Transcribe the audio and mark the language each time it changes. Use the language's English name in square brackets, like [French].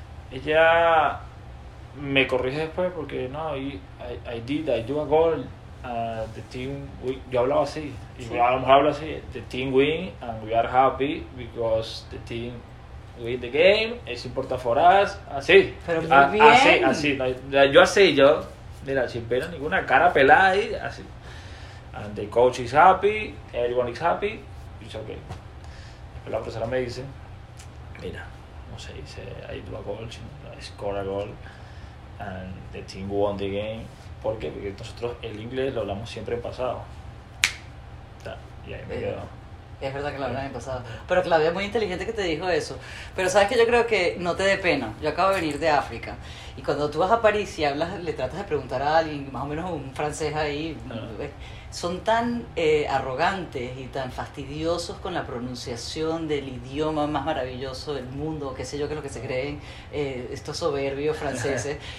[Spanish] Ella me corrige después porque no, [English] I did, I do a goal, the team, [Spanish] yo hablaba así, sí. Y a lo mejor hablo así, [English] the team win and we are happy because the team win the game, it's important for us, así. [Spanish] Pero muy bien. Así, yo mira, sin pena ninguna, cara pelada ahí, así. [English] And the coach is happy, everyone is happy, it's okay. [Spanish] Pero la profesora me dice, mira. No sé, dice, [English] I do a goal, score a goal, and the team won the game. [Spanish] ¿Por qué? Porque nosotros el inglés lo hablamos siempre en pasado. Y ahí me quedo. Es verdad que lo hablan en pasado. Pero Claudia es muy inteligente que te dijo eso. Pero sabes que yo creo que no te dé pena. Yo acabo de venir de África. Y cuando tú vas a París y hablas, le tratas de preguntar a alguien, más o menos un francés ahí, son tan arrogantes y tan fastidiosos con la pronunciación del idioma más maravilloso del mundo, qué sé yo, que es lo que se creen estos soberbios franceses.